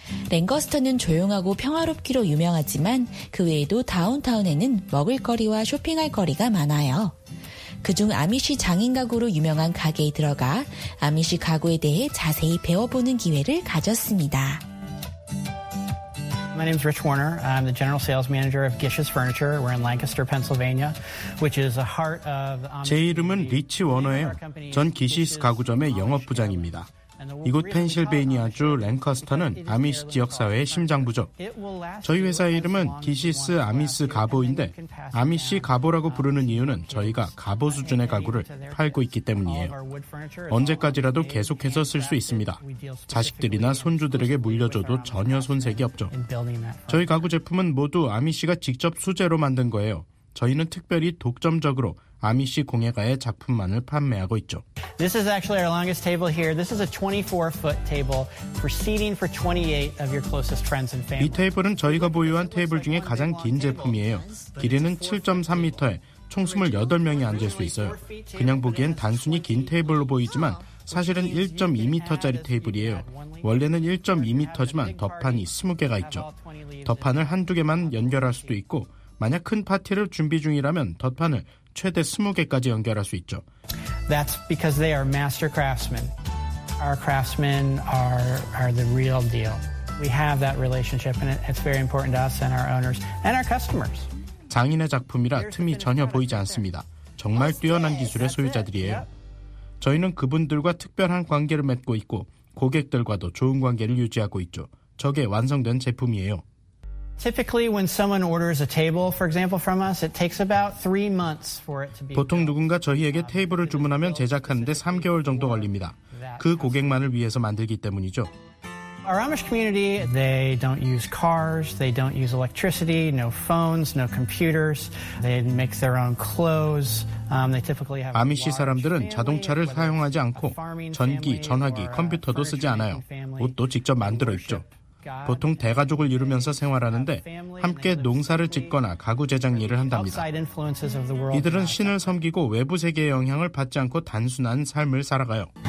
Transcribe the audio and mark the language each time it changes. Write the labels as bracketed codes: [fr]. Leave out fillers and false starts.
[ko] 랭커스터는 조용하고 평화롭기로 유명하지만 그 외에도 다운타운에는 먹을거리와 쇼핑할 거리가 많아요. 그중 아미시 장인 가구로 유명한 가게에 들어가 아미시 가구에 대해 자세히 배워보는 기회를 가졌습니다. [en] My name is Rich Warner. I'm the general sales manager of Gish's Furniture. We're in Lancaster, Pennsylvania, which is the heart of. [ko] 제 이름은 리치 워너예요. 전 기시스 가구점의 영업 부장입니다. 이곳 펜실베이니아주 랭커스터는 아미시 지역사회의 심장부죠. 저희 회사의 이름은 기시스 아미스 가보인데 아미시 가보라고 부르는 이유는 저희가 가보 수준의 가구를 팔고 있기 때문이에요. 언제까지라도 계속해서 쓸 수 있습니다. 자식들이나 손주들에게 물려줘도 전혀 손색이 없죠. 저희 가구 제품은 모두 아미시가 직접 수제로 만든 거예요. 저희는 특별히 독점적으로 아미시 공예가의 작품만을 판매하고 있죠. [en] This is actually our longest table here. This is a 24-foot table for seating for 28 of your closest friends and family. [ko] 이 테이블은 저희가 보유한 테이블 중에 가장 긴 제품이에요. 길이는 7.3m에 총 28명이 앉을 수 있어요. 그냥 보기엔 단순히 긴 테이블로 보이지만 사실은 1.2m짜리 테이블이에요. 원래는 1.2m지만 덮판이 20개가 있죠. 덮판을 한두 개만 연결할 수도 있고 만약 큰 파티를 준비 중이라면 덮판을 최대 20개까지 연결할 수 있죠. [en] That's because they are master craftsmen. Our craftsmen are the real deal. We have that relationship and it's very important to us and our owners and our customers. [ko] 장인의 작품이라 틈이 전혀 보이지 않습니다. 정말 뛰어난 기술의 소유자들이에요. 저희는 그분들과 특별한 관계를 맺고 있고 고객들과도 좋은 관계를 유지하고 있죠. 저게 완성된 제품이에요. [en] Typically when someone orders a table for example from us it takes about 3 months for it to be [ko] 보통 누군가 저희에게 테이블을 주문하면 제작하는데 3개월 정도 걸립니다. 그 고객만을 위해서 만들기 때문이죠. [en] Our Amish community they don't use cars, they don't use electricity, no phones, no computers. They make their own clothes. They typically have [ko] 아미시 사람들은 자동차를 사용하지 않고 전기, 전화기, 컴퓨터도 쓰지 않아요. 옷도 직접 만들어 입죠. 보통 대가족을 이루면서 생활하는데 함께 농사를 짓거나 가구 제작 일을 한답니다. 이들은 신을 섬기고 외부 세계의 영향을 받지 않고 단순한 삶을 살아가요.